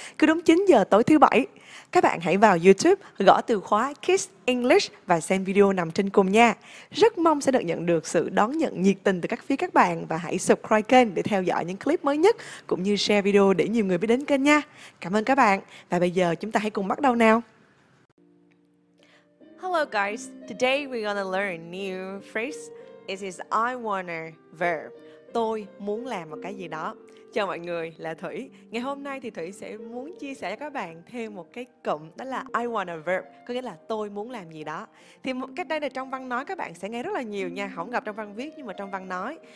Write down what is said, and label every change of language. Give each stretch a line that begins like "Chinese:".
Vietnamese: Cứ đúng 9 giờ tối thứ bảy, các bạn hãy vào YouTube gõ từ khóa Kiss English và xem video nằm trên cùng nha. Rất mong sẽ được nhận được sự đón nhận nhiệt tình từ các phía các bạn và hãy subscribe kênh để theo dõi những clip mới nhất cũng như share video để nhiều người biết đến kênh nha. Cảm ơn các bạn và bây giờ chúng ta hãy cùng bắt đầu nào.
English: Hello guys, today we're gonna learn new phrase. It is I wanna verb.
Vietnamese: Tôi muốn làm một cái gì đó. Chào mọi người, là Thủy. Ngày hôm nay thì Thủy sẽ muốn chia sẻ cho các bạn thêm một cái cụm, đó là I wanna verb, có nghĩa là tôi muốn làm gì đó. Thì cách đây là trong văn nói các bạn sẽ nghe rất là nhiều nha, không gặp trong văn viết nhưng mà trong văn nói.